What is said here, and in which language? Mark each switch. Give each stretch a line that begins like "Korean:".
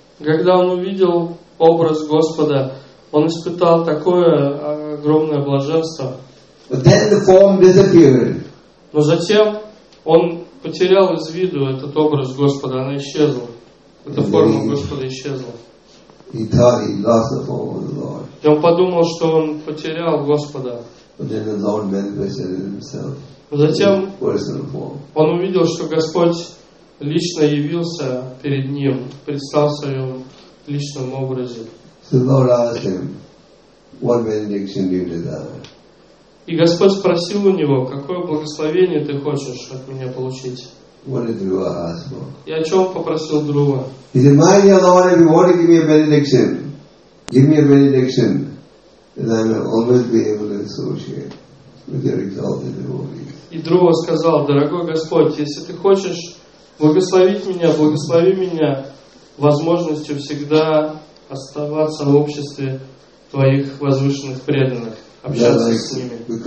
Russian: Когда он увидел образ Господа, он испытал такое огромное блаженство.
English: But then the form disappeared.
Russian: Но затем он потерял из виду этот образ Господа, она исчезла. Эта форма Господа исчезла.
English: He thought he lost the form of the Lord.
Russian: И он подумал, что он потерял Господа.
English: But then the Lord manifested himself.
Russian: Но затем
English: personal form.
Russian: Он увидел, что Господь лично явился перед ним, предстал в своем личном образе.
English: So Lord asked him, what benediction do you desire?
Russian: И Господь спросил у него, какое благословение ты хочешь от меня получить?
English: What did Dhruva ask for?
Russian: И о чем попросил Друва?
English: He said, my dear Lord, if you want to give me a benediction, then I will always be able to associate with your exalted devotees.
Russian: И Друва сказал, дорогой Господь, если ты хочешь благослови меня возможностью всегда оставаться в обществе Твоих возвышенных преданных, общаться с ними.